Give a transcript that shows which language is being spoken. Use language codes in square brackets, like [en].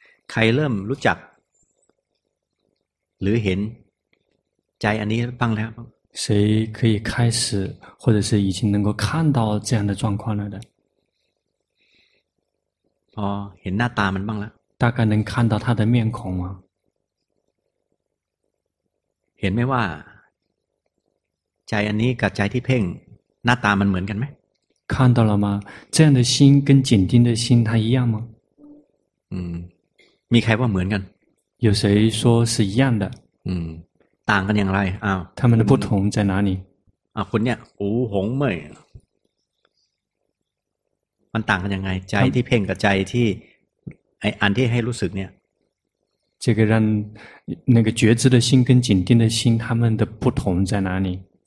[th] ใครเริ่มรู้จักหรือเห็นใจอันนี้บ้างแล้ว [zh] 谁可以开始或者是已经能够看到这样的状况了的 [th] พอเห็นหน้าตามันบ้างแล้ว [zh] 大概能看到他的面孔吗 [th] เห็นไหมว่าใจอันนี้กับใจที่เพ่งหน้าตามันเหมือนกันไหม [zh] 看到了吗这样的心跟紧盯的心它一样吗 [th] มีใครว่าเหมือนกัน [zh] 有谁说是一样的 [th] ต่างกันอย่างไรอ้าว [zh] 他们的不同在哪里 [th] คนเนี้ยโอ้หงเหม่ยมันต่างกันยังไงใจที่เพ่งกับใจที่ไอ้อันที่ให้รู้สึกเนี่ย [zh] 这个让那个觉知的心跟紧盯的心他们的不同在哪里